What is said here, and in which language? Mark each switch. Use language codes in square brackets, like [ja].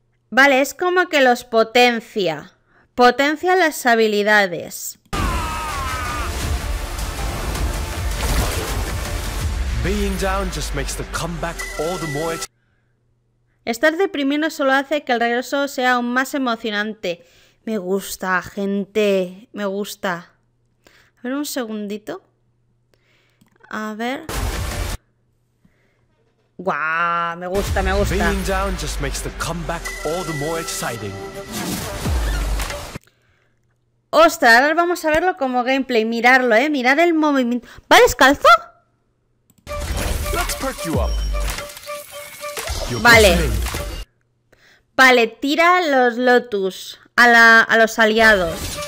[es] Vale, es como que los potencia. Potencia las habilidades. [en] Being down just makes the comeback all the more. [es] Estar deprimido solo hace que el regreso sea aún más emocionante. Me gusta, gente. Me gusta. A ver un segundito. A ver. ¡Guau! Me gusta. [en] Being down just makes the comeback all the more exciting. [es] Ostras, ahora vamos a verlo como gameplay. Mirarlo, ¿eh? Mirar el movimiento. ¿Va descalzo? [en] Let's perk you up. [es] Vale. Vale, tira los lotus a los aliados.